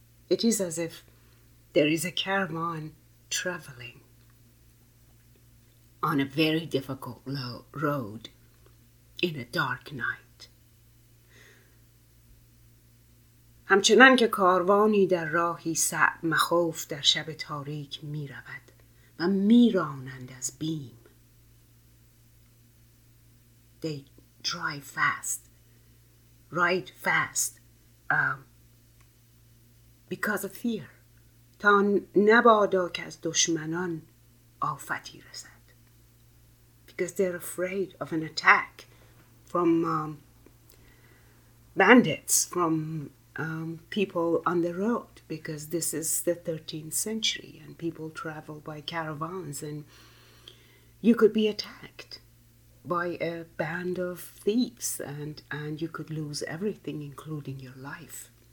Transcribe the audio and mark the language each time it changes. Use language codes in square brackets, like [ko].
[en] It is as if there is a caravan traveling on a very difficult road in a dark night. [fa] همچنان که کاروانی در راهی صعب مخوف در شب تاریک می رود و می رانند از بیم. [en] They drive fast, ride fast, because of fear. [fa] تا نبادا که از دشمنان آفتی رسد. [en] Because they're afraid of an attack from bandits, from people on the road. Because this is the 13th century and people travel by caravans and you could be attacked by a band of thieves and you could lose everything, including your life.